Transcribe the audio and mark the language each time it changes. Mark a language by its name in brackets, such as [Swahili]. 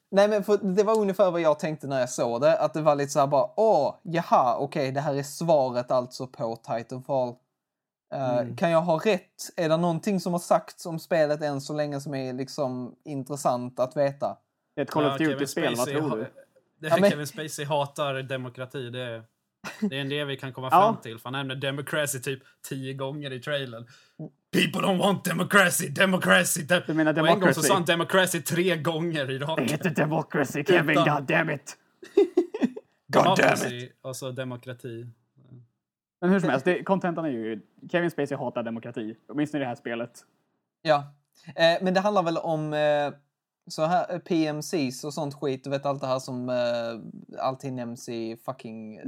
[Swedish] Nej, men för det var ungefär vad jag tänkte när jag såg det, att det var lite så här bara, okej, det här är svaret alltså på Titanfall. Kan jag ha rätt? Är det någonting som har sagts om spelet än så länge som är liksom intressant att veta? Ett Call of Duty-spel, vad tror du? Det här Kevin Spacey hatar demokrati, det är... Det är en del vi kan komma fram till. För han nämner democracy typ 10 gånger i trailern. [English] People don't want democracy, democracy. [Swedish] Du menar democracy? Och en gång så sa han democracy 3 gånger i rad. Det heter democracy, Kevin, utan... [English] god damn it. God damn it. [Swedish] Och så demokrati. Men hur som helst, kontentan är ju Kevin Spacey hatar demokrati. Minns ni det här spelet? Ja, men det handlar väl om Så här PMCs och sånt skit, du vet allt det här som alltid nämns i fucking